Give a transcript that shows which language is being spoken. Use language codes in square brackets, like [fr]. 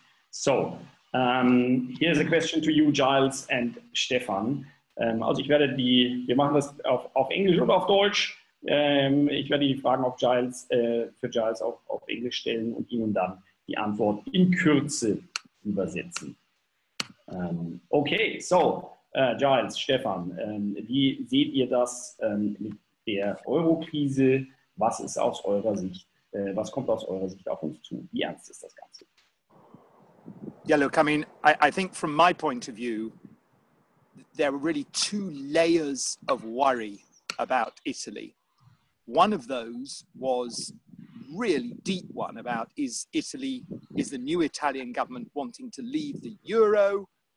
[en] So, here's a question to you, Giles and Stefan. [de] Also ich werde die, wir machen das auf Englisch oder auf Deutsch. Ich werde die Fragen auf Giles, für Giles auf Englisch stellen und Ihnen dann die Antwort in Kürze übersetzen. Okay, so. Giles, Stefan, wie seht ihr das mit der Euro-Krise? Was ist aus eurer Sicht, was kommt aus eurer Sicht auf uns zu? Wie ernst ist das Ganze? [en] Yeah, look, I mean, I think from my point of view, there are really two layers of worry about Italy. One of those was really deep one about is the new Italian government wanting to leave the euro?